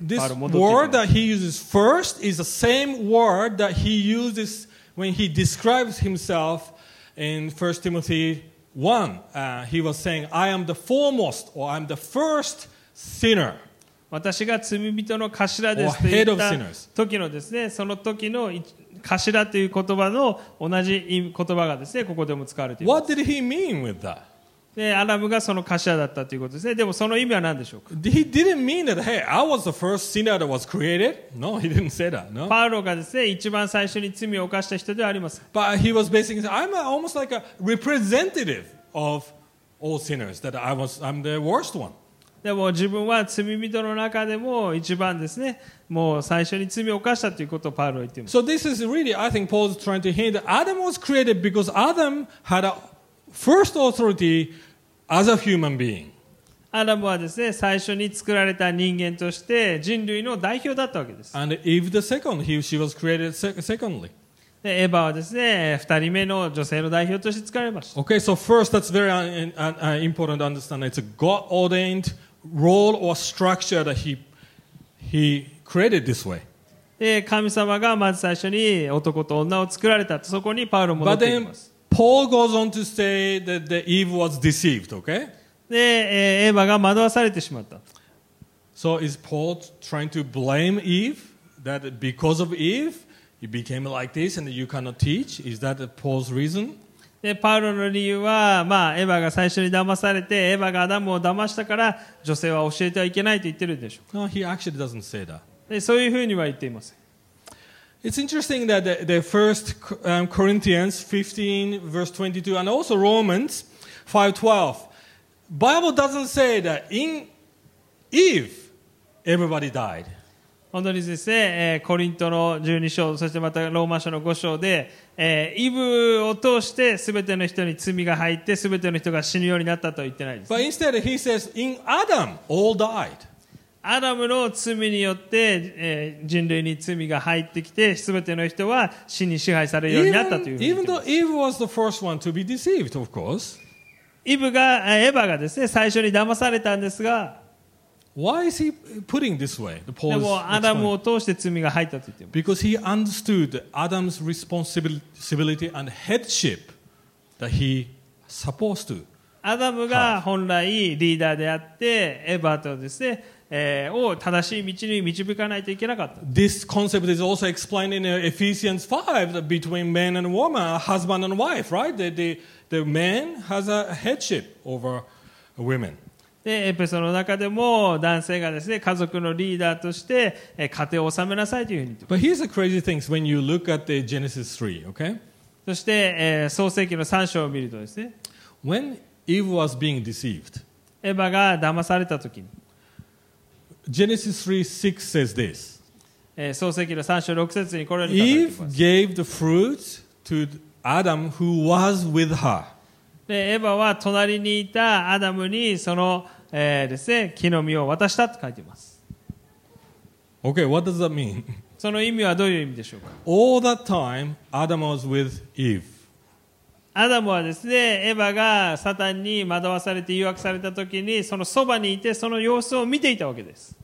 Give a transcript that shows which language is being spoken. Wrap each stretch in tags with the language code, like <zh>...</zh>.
<en>This word that he uses first is the same word that he uses when he describes himself in 1 Timothy 1. He was saying, I am the foremost or I am the first sinner.</en> <ja>私が罪人の頭ですと言った時のですね、その時の頭という言葉の同じ言葉がですね、ここでも使われています。</ja> <en>What did he mean with that?</en> <ja>でアダムがその頭だったということですね。でもその意味は何でしょうか。</ja> <en>He didn't mean that. Hey, I was the first sinner that was created. No, he didn't say that. No.</en> <ja>パウロがですね、一番最初に罪を犯した人ではありません。</ja> <en>But he was basically saying, I'm almost like a representative of all sinners. That I'm the worst one.</en> <ja>でも自分は罪人の中でも一番ですね、もう最初に罪を犯したということをパウロは言っています。</ja> <en>So this is really, I think, Paul's trying to hint that Adam was created because Adam had a First authority as a human being.</en> <ja>Adam はですね、最初に作られた人間として人類の代表だったわけです。</ja> <en>And Eve the second, he or she was created secondly.</en> <ja>で、エヴァはですね、二人目の女性の代表として作られました。</ja> <en>Okay, so first, that's very important to understand. It's a God-ordained role or structure that he created this way.</en> <ja>で、神様がまず最初に男と女を作られたと、そこにパウロ戻っています。</ja> <en>But then, Paul goes on to say that the Eve was deceived, okay? So is Paul trying to blame Eve? That because of Eve, you became like this and you cannot teach? Is that Paul's reason?</en> <ja>でパウロの理由は、まあ、エヴァが最初に騙されて、エヴァがアダムを騙したから、女性は教えてはいけないと言ってるんでしょう。</ja> <en>No, he actually doesn't say that.</en> <ja>でそういうふうには言っていません。</ja> <en>It's interesting that the first Corinthians 15 verse 22 and also Romans 5:12, Bible doesn't say that in Eve everybody died.</en> <ja>本当にですね、コリントの12章、そしてまたローマ書の5章で、イブを通して全ての人に罪が入って全ての人が死ぬようになったと言ってないです、ね。</ja> <en>But instead he says, in Adam, all died.</en> <ja>アダムの罪によって、人類に罪が入ってきて全ての人は死に支配されるようになったというふうに言ってます。</ja> <en>Even though Eve was the first one to be deceived, of course.</en> <ja>イブが、エヴァがですね、最初に騙されたんですが、</ja> <en>Why is he putting this way? The Paul's explaining.</en> <ja>でもアダムを通して罪が入ったと言っています。</ja> <en>Because he understood Adam's responsibility and headship that he supposed to.</en> <ja>アダムが本来リーダーであって、エヴァとですね、を正しい道に導かないといけなかった。</ja> <en>This concept is also explained in Ephesians 5 that between man and woman, husband and wife, right? The man has a headship over women.</en> <ja>でエペソの中でも男性がですね家族のリーダーとして家庭を治めなさいというふうに言ってます。</ja> <en>But here's the crazy things when you look at the Genesis 3, okay?</en> <ja>そして、創世記の3章を見るとですね。</ja> <en>When Eve was being deceived,</en> <ja>エヴァが騙されたときに、</ja> <en>Genesis 3:6 says this.</en> <ja>創世記の3章6節にこれに書かれています</ja> <en>Eve gave the fruit to Adam who was with her.</en> <ja>でエヴァは隣にいたアダムにその、ですね、木の実を渡したと書いています。</ja> <en>Okay, what does that mean?</en> <ja>その意味はどういう意味でしょうか?</ja> <en>All that time, Adam was with Eve.</en> <ja>アダムはですね、エヴァがサタンに惑わされて誘惑されたときにそのそばにいてその様子を見ていたわけです。</ja>